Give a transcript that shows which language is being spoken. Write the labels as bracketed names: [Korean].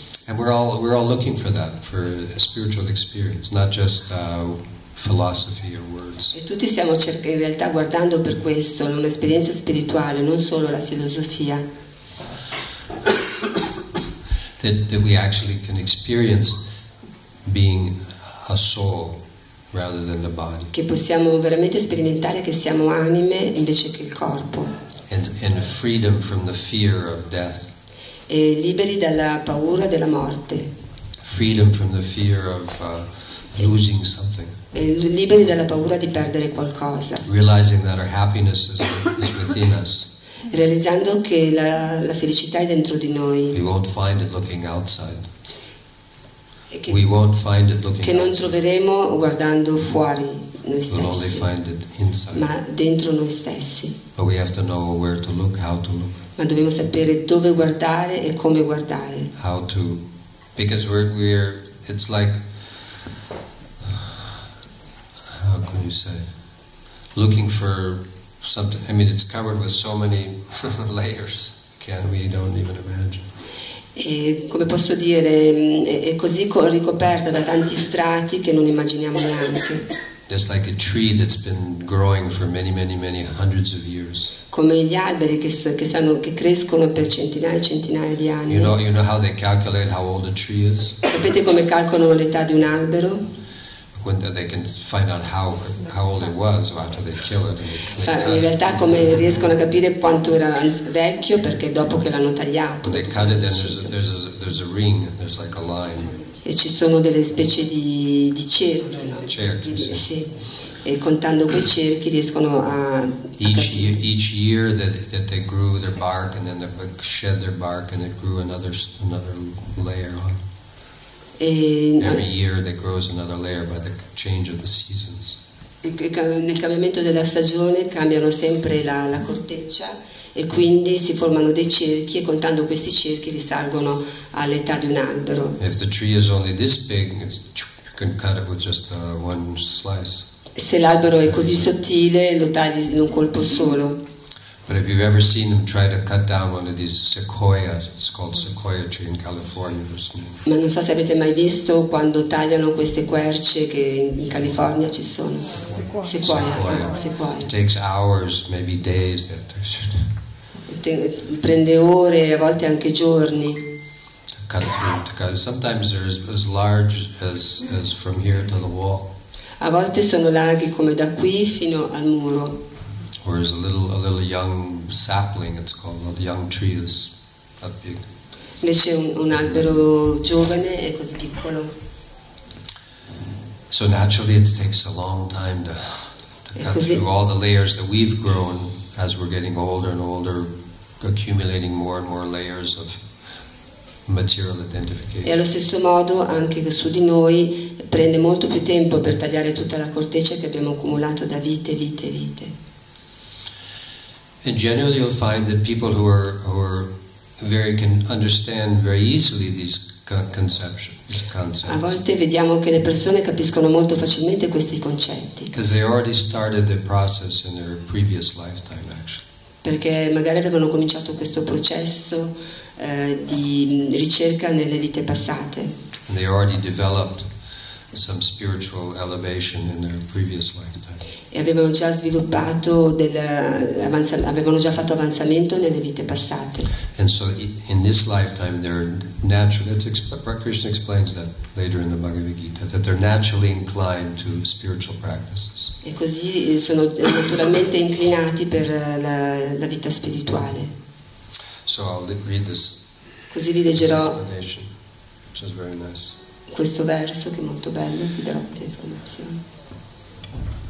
[English] And we're all looking for that, for a spiritual experience, not just philosophy or words. [Italian] E tutti stiamo in realtà guardando per questo, un'esperienza spirituale, non solo la filosofia. [English] That we actually can experience being a soul rather than the body. [Italian] Che possiamo veramente sperimentare che siamo anime invece che il corpo. [English] And freedom from the fear of death. [Italian] E liberi dalla paura della morte. [English] Freedom from the fear of losing something. [Italian] E liberi dalla paura di perdere qualcosa. [English] Realizing that our happiness is within us. [Italian] Realizzando che la felicità è dentro di noi. [English] We won't find it looking outside. We won't find it looking [Italian] che non troveremo guardando fuori noi stessi, [English] we'll only find it inside. [Italian] Ma dentro noi stessi. [English] But we have to know where to look, how to look. [Italian] Ma dobbiamo sapere dove guardare e come guardare. [English] How to, because we're it's like, how can you say, looking for something. I mean, it's covered with so many layers. We don't even imagine. [Italian] E come posso dire, è così ricoperta da tanti strati che non immaginiamo neanche. [English] Just like a tree that's been growing for many, many, many hundreds of years. [Italian] Come gli alberi che crescono per centinaia e centinaia di anni. [English] You know how they calculate how old a tree is? [Italian] Sapete come calcolano l'età di un albero? [English] When they can find out how old it was after they kill it. [Italian] In realtà, come riescono a capire quanto era vecchio perché dopo che l'hanno tagliato. [English] They cut it and there's a ring, there's like a line. [Italian] E ci sono delle specie di cerchi. Cerchi. Sì. E contando quei cerchi riescono a. [English] Each year that they grew their bark and then they shed their bark and it grew another layer on. Every year there grows another layer by the change of the seasons. [Italian] Nel cambiamento della stagione cambiano sempre la corteccia e quindi si formano dei cerchi e contando questi cerchi risalgono all'età di un albero. [English] If the tree is only this big, you can cut it with just one slice. [Italian] Se l'albero è così sottile, lo tagli in un colpo solo. [English] But if you've ever seen them try to cut down one of these sequoias, it's called sequoia tree in California. [Italian] Ma non so se avete mai visto quando tagliano queste querce che in California ci sono. [English] Sequoia. [Italian] Sequoia. [English] It takes hours, maybe days. [Italian] It prende ore, a volte anche giorni. [English] To cut through, to cut. Sometimes they're as large as from here to the wall. [Italian] A volte sono larghi come da qui fino al muro. [English] Or as a little young sapling, it's called, a young tree is that big. [Italian] Invece un albero giovane è così piccolo. [English] So naturally it takes a long time to cut through all the layers that we've grown as we're getting older and older, accumulating more and more layers of material identification. [Italian] E allo stesso modo anche su di noi prende molto più tempo per tagliare tutta la corteccia che abbiamo accumulato da vite. [English] And generally you'll find that people who are very can understand very easily these concepts. [Italian] A volte vediamo che le persone capiscono molto facilmente questi concetti. [English] Because they already started the process in their previous lifetime, actually. [Italian] Perché magari avevano cominciato questo processo di ricerca nelle vite passate. [English] And they already developed some spiritual elevation in their previous lifetime. [Italian] E avevano già sviluppato avevano già fatto avanzamento nelle vite passate. [English] And so in this lifetime they're naturally, Krishna explains that later in the Bhagavad Gita, that they're naturally inclined to spiritual practices. [Italian] E così sono naturalmente inclinati per la vita spirituale. [English] So I'll read this. [Italian] Così vi leggerò. [English] Which is very nice. [Italian] Questo verso che è molto bello, vi darò questa informazione.